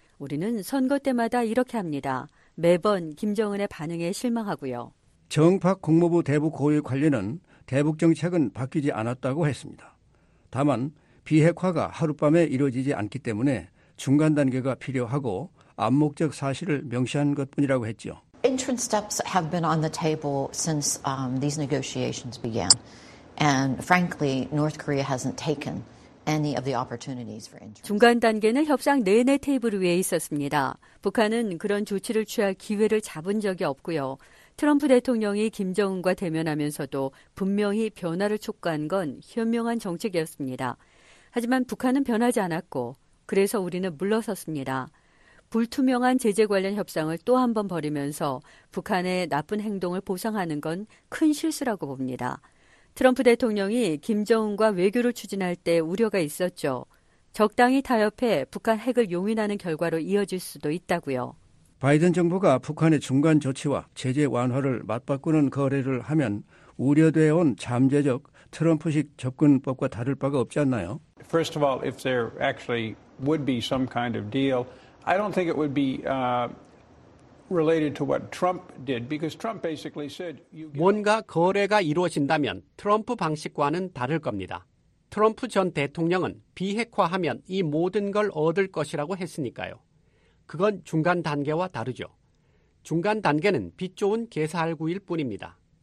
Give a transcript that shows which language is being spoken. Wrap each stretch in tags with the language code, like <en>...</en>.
<ko>우리는 선거 때마다 이렇게 합니다. 매번 김정은의 반응에 실망하고요. 정박 국무부 대북 고위 관리는 대북 정책은 바뀌지 않았다고 했습니다. 다만 비핵화가 하룻밤에 이루어지지 않기 때문에 중간 단계가 필요하고 암묵적 사실을 명시한 것뿐이라고 했죠.</ko> <en>Interim steps have been on the table since these negotiations began. And frankly, North Korea hasn't taken any of the opportunities for interim.</en> <ko>중간 단계는 협상 내내 테이블 위에 있었습니다. 북한은 그런 조치를 취할 기회를 잡은 적이 없고요. 트럼프 대통령이 김정은과 대면하면서도 분명히 변화를 촉구한 건 현명한 정책이었습니다. 하지만 북한은 변하지 않았고 그래서 우리는 물러섰습니다. 불투명한 제재 관련 협상을 또 한 번 벌이면서 북한의 나쁜 행동을 보상하는 건 큰 실수라고 봅니다. 트럼프 대통령이 김정은과 외교를 추진할 때 우려가 있었죠. 적당히 타협해 북한 핵을 용인하는 결과로 이어질 수도 있다고요. 바이든 정부가 북한의 중간 조치와 제재 완화를 맞바꾸는 거래를 하면 우려되어 온 잠재적 트럼프식 접근법과 다를 바가 없지 않나요?</ko> <en>First of all, if there actually would be some kind of deal, I don't think it would be related to what Trump did because Trump basically said</en> <ko>뭔가 거래가 이루어진다면 트럼프 방식과는 다를 겁니다. 트럼프 전 대통령은 비핵화하면 이 모든 걸 얻을 것이라고 했으니까요. 그건 중간 단계와 다르죠. 중간 단계는 빚 좋은 계산구일 뿐입니다.</ko>